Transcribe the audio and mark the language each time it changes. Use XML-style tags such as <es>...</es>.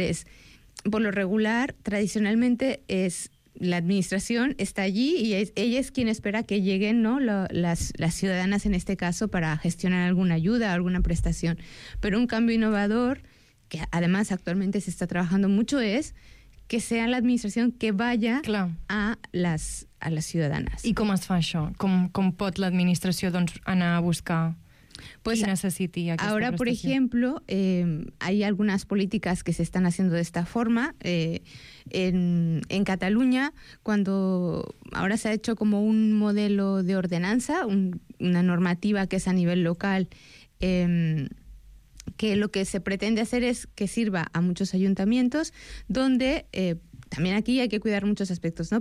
<es>Es, por lo regular, tradicionalmente, es la administración está allí y ella es quien espera que lleguen las ciudadanas, en este caso, para gestionar alguna ayuda, alguna prestación. Pero un cambio innovador, que además actualmente se está trabajando mucho, es que sea la administración que vaya a las ciudadanas.</es> <ca>I com es fa això? Com pot l'administració anar a buscar qui necessiti aquesta prestació?</ca> <es>Ahora, por ejemplo, hay algunas políticas que se están haciendo de esta forma. En Cataluña, cuando ahora se ha hecho como un modelo de ordenanza, una normativa que es a nivel local, que lo que se pretende hacer es que sirva a muchos ayuntamientos, donde también aquí hay que cuidar muchos aspectos, ¿no?</es>